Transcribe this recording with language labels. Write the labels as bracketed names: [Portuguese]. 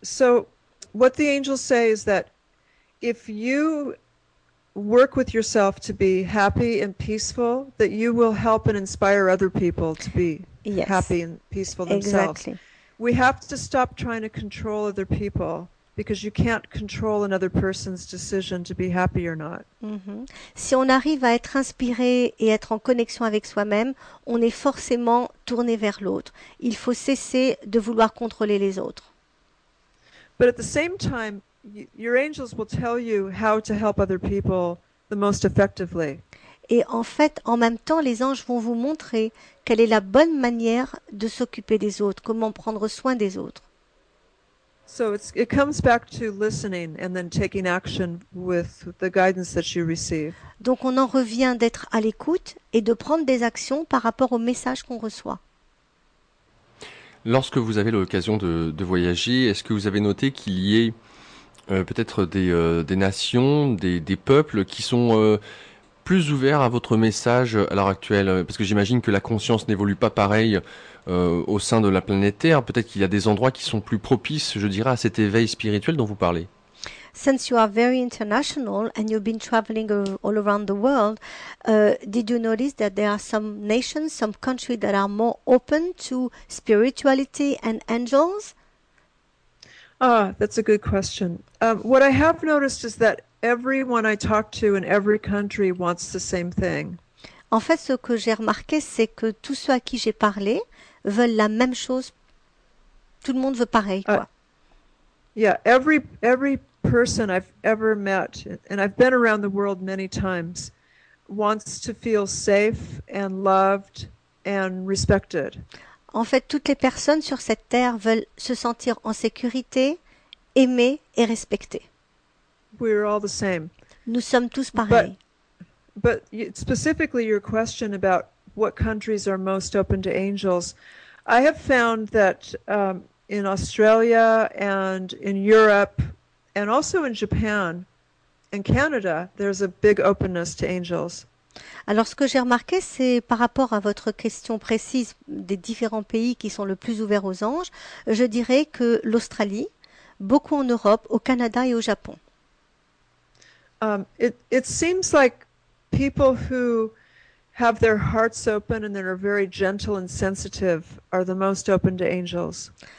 [English] So what the angels say is that if you work with yourself to be happy and peaceful, that you will help and inspire other people to be happy and peaceful themselves. Exactly. We have to stop trying to control other people. Because you can't control another person's decision to be happy or not. Mm-hmm. [French] Si on arrive à être inspiré et être en connexion avec soi-même, on est forcément tourné vers l'autre. Il faut cesser de vouloir contrôler les autres. [English] But at the same time, your angels will tell you how to help other people the most effectively. [French] Et en fait, en même temps, les anges vont vous montrer quelle est la bonne manière de s'occuper des autres, comment prendre soin des autres. [English] So it comes back to listening and then taking action with the guidance that you receive. [French] Donc on en revient d'être à l'écoute et de prendre des actions par rapport au message qu'on reçoit. Lorsque vous avez l'occasion de voyager, est-ce que vous avez noté qu'il y ait peut-être des nations, des peuples qui sont plus ouverts à votre message à l'heure actuelle? Parce que j'imagine que la conscience n'évolue pas pareil au sein de la planète Terre. Peut-être qu'il y a des endroits qui sont plus propices, je dirais, à cet éveil spirituel dont vous parlez. [English] Since you are very international and you've been traveling all around the world, did you notice that there are some nations, some countries that are more open to spirituality and angels? Ah, that's a good question. What I have noticed is that everyone I talk to in every country wants the same thing. [French] En fait, ce que j'ai remarqué, c'est que tous ceux à qui j'ai parlé veulent la même chose. Tout le monde veut pareil, quoi. [English] Every person I've ever met, and I've been around the world many times, wants to feel safe and loved and respected. [French] En fait, toutes les personnes sur cette terre veulent se sentir en sécurité, aimées et respectées. [English] We're all the same. [French] Nous sommes tous pareils. [English] But specifically your question about what countries are most open to angels, I have found that in Australia and in Europe and also in Japan and Canada, there's a big openness to angels. [French] Alors, ce que j'ai remarqué, c'est par rapport à votre question précise des différents pays qui sont le plus ouverts aux anges, je dirais que l'Australie, beaucoup en Europe, au Canada et au Japon. [English] It seems like people who have their hearts open and that are very gentle and sensitive are the most open to angels.